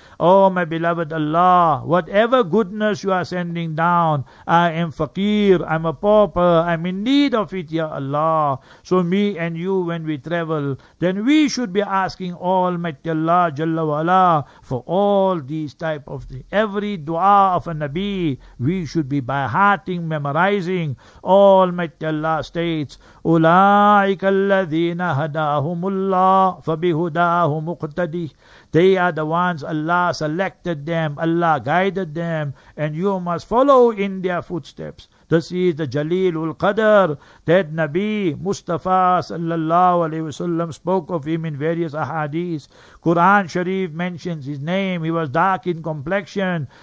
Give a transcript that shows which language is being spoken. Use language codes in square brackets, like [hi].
[en] O my beloved Allah, whatever goodness you are sending down, I am faqir, I'm a pauper, I'm in need of it, ya Allah. So me and you, when we travel, then we should be asking Almighty Allah Jalla Wala for all these type of things. Every dua of a Nabi, we should be by hearting, memorizing. Almighty Allah states, [ar] أُولَٰئِكَ الَّذِينَ هَدَاهُمُ اللَّهُ فَبِهُدَاهُ مُقْتَدِي. [en] They are the ones Allah selected them, Allah guided them, and you must follow in their footsteps. This is the Jalilul Qadr that Nabi Mustafa sallallahu alayhi wasallam spoke of him in various ahadith. Quran Sharif mentions his name. He was dark in complexion.